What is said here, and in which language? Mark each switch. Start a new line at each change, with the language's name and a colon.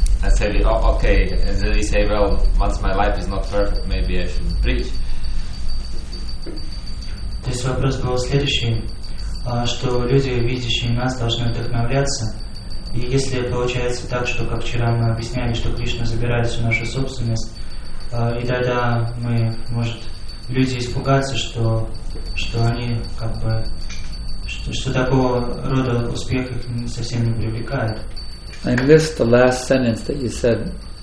English: And say, oh, okay, and then we say, well, once my life is not perfect, maybe I shouldn't preach.
Russian: То есть вопрос был следующий, что люди, видящие нас, должны вдохновляться. И если получается так, что как вчера мы объясняли, что Кришна забирает всю нашу собственность, и тогда мы, может, люди испугаются, что они как бы, что такого рода успех их совсем не привлекает.
English: I missed the last sentence that you said.